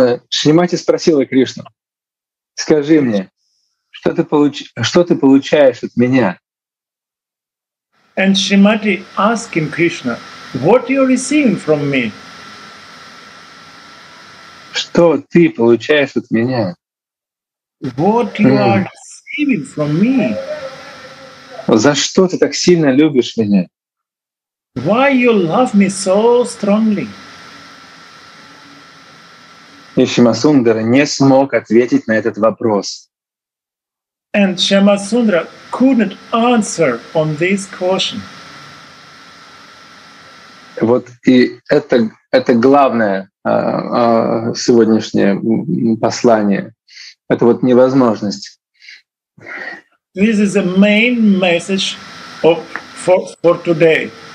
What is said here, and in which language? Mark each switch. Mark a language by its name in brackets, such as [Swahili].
[Russian] Шримати спросила Кришну: «Скажи мне, что ты получаешь от меня?» [English] And Shrimati asking Krishna, what you receiving from me? [Russian] Что ты получаешь от меня? [English] What you are receiving from me? [Russian] За что ты так сильно любишь меня? [English] Why you love me so strongly? [Russian] И Шамасундра не смог ответить на этот вопрос. [English] And Shamasundra couldn't answer on this question. [Russian] Вот и это главное сегодняшнее послание. Это вот невозможность. [English] This is the main message of for today.